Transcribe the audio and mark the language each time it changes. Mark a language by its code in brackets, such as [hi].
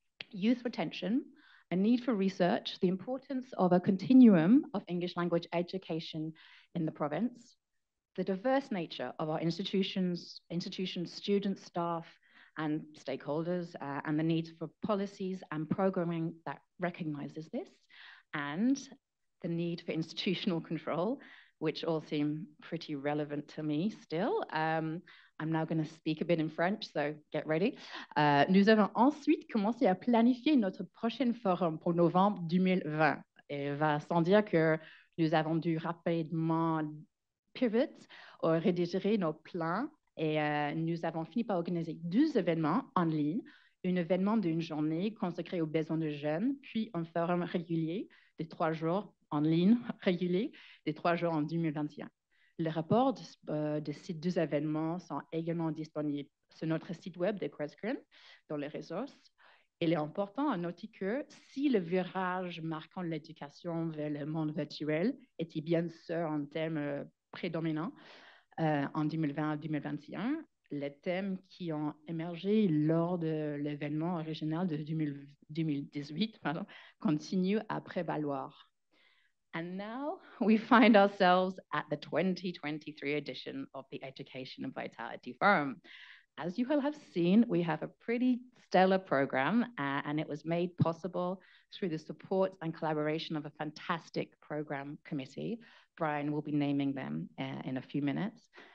[en] youth retention, a need for research, the importance of a continuum of English language education in the province, the diverse nature of our institutions, students, staff, and stakeholders, and the need for policies and programming that recognizes this, and the need for institutional control, which all seem pretty relevant to me still. I'm now going to speak a bit in French, so get ready. [fr] Nous avons ensuite commencé à planifier notre prochain forum pour novembre 2020. Et va sans dire que nous avons dû rapidement pivot ou rédiger nos plans. Et nous avons fini par organiser deux événements en ligne, un événement d'une journée consacré aux besoins de jeunes, puis un forum régulier de 3 jours en ligne régulier des 3 jours en 2021. Les rapports de ces deux événements sont également disponibles sur notre site web de QUESCREN dans les ressources. Il est important à noter que si le virage marquant l'éducation vers le monde virtuel était bien sûr un thème prédominant en 2020-2021, les thèmes qui ont émergé lors de l'événement original de 2018 continuent à prévaloir. [en] And now we find ourselves at the 2023 edition of the Education and Vitality Forum. As you will have seen, we have a pretty stellar program, and it was made possible through the support and collaboration of a fantastic program committee. Brian will be naming them in a few minutes.